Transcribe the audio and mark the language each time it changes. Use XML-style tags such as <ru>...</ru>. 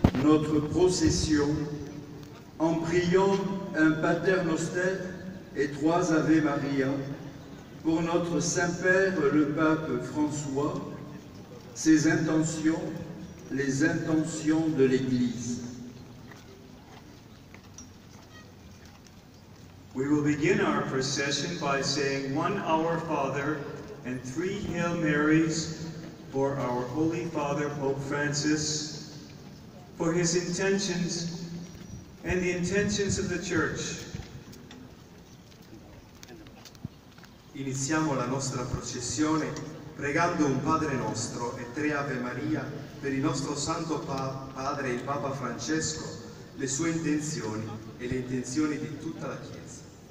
<fr>notre procession en priant un Pater Noster et trois Ave Maria pour notre Saint-Père le Pape François, ses intentions, les intentions de l'Église.</fr> <en>We will begin our procession by saying one Our Father and three Hail Marys for our Holy Father Pope Francis, for his intentions and the intentions of the Church.</en> <it>Iniziamo la nostra processione pregando un Padre Nostro e tre Ave Maria per il nostro Santo Padre il Papa Francesco, le sue intenzioni e le intenzioni di tutta la Chiesa.</it>